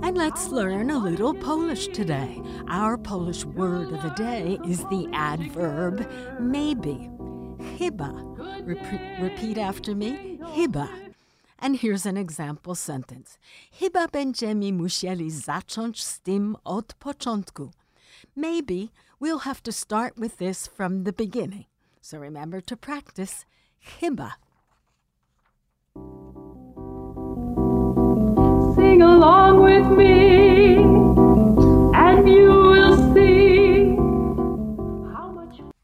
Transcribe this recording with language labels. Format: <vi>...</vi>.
<en>Let's learn a little Polish today. Our Polish word of the day is the adverb maybe. Chyba. Repeat after me. Chyba. And here's an example sentence.</en> <pl>Chyba będziemy musieli zacząć z tym od początku.</pl> <en>Maybe we'll have to start with this from the beginning. So remember to practice. Chyba. Sing along with me, and you will see how much.</en>